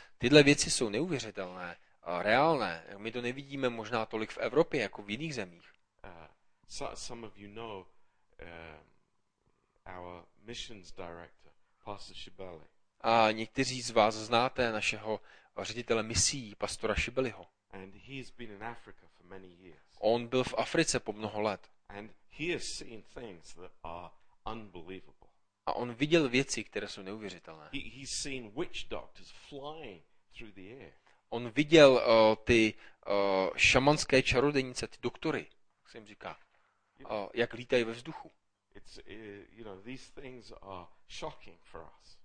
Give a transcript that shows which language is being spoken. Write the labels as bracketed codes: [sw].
[cs] Tyhle věci jsou neuvěřitelné a reálné. My to nevidíme možná tolik v Evropě jako v jiných zemích. [en] Some of you know our missions director, Pastor Shibeli. [cs] A někteří z vás znáte našeho ředitele misí, pastora Shibeliho. [en] And he has been in Africa for many years. [cs] On byl v Africe po mnoho let. [en] And he has seen things that are unbelievable. [cs] A on viděl věci, které jsou neuvěřitelné. [en] He's seen witch doctors flying through the air. [cs] On viděl ty šamanské čarodějnice, ty doktory, jak se jim říká, jak lítají ve vzduchu. [en] You know, these things are shocking for us.